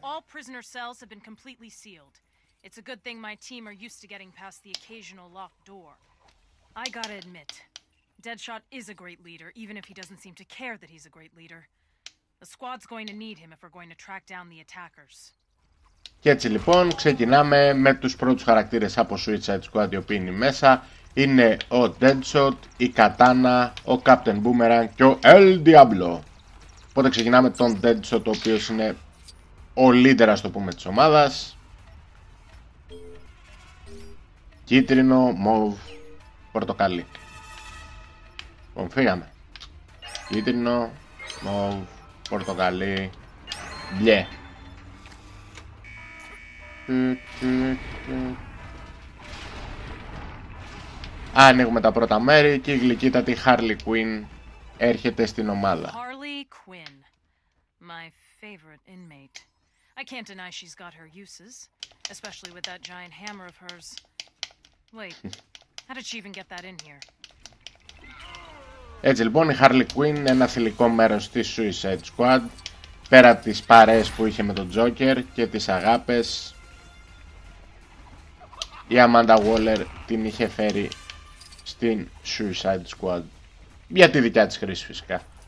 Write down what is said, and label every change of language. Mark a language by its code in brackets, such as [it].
[en] All prisoner cells have been completely sealed. It's a good thing my team are used to getting past the occasional locked door. I gotta admit, Deadshot is a great leader, even if he doesn't seem to care that he's a great leader. The squad's going to need him if we're going to track down the attackers. [el] Και έτσι λοιπόν ξεκινάμε με τους πρώτους χαρακτήρες από Suicide Squad, οι οποίοι είναι μέσα. Είναι ο Deadshot, η Katana, ο Captain Boomerang και ο El Diablo. Οπότε ξεκινάμε τον Deadshot, ο οποίος είναι ο leader, ας το πούμε, της ομάδας. Κίτρινο, μοβ, πορτοκαλί. Λοιπόν, φύγαμε. Κίτρινο, μοβ, πορτοκαλί, μπλε. Ανοίγουμε τα πρώτα μέρη και η γλυκύτατη Harley Quinn έρχεται στην ομάδα. [en] Harley Quinn, my favorite inmate. I can't deny she's got her uses, especially with that giant hammer of hers. Wait, how did she even get that in here? [el] Έτσι λοιπόν, η Harley Quinn είναι ένα θηλυκό μέρος της Suicide Squad, πέρα από τις παρέες που είχε με τον Joker και τις αγάπες. Η Amanda Waller την είχε φέρει στην Suicide Squad για τη δικιά της χρήση φυσικά.